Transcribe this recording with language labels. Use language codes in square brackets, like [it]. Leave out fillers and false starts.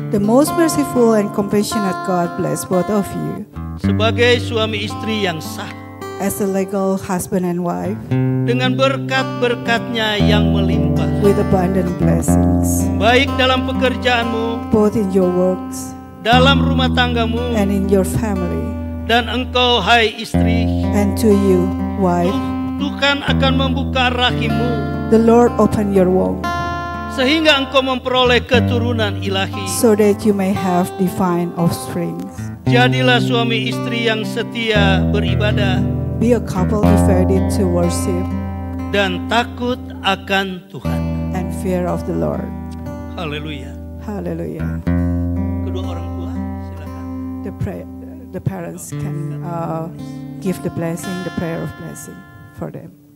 [en] The most merciful and compassionate God bless both of you. [id] Sebagai suami istri yang sah, [en] as a legal husband and wife, [id] dengan berkat-berkatnya yang melimpah, [en] with abundant blessings, [id] baik dalam pekerjaanmu, [en] both in your works, [id] dalam rumah tanggamu, [en] and in your family, [id] dan engkau hai istri, [en] and to you wife, [id] Tuhan akan membuka rahimmu, [en] the Lord open your womb, [id] sehingga engkau memperoleh keturunan ilahi, [en] so that you may have divine offspring. [id] Jadilah suami istri yang setia beribadah. [en] Be a couple devoted to worship. [id] Dan takut akan Tuhan. [en] And fear of the Lord. [id] Haleluya. [en] Haleluya. [id] Kedua orang tua, silakan. [en] The parents can give the blessing, the prayer of blessing for them.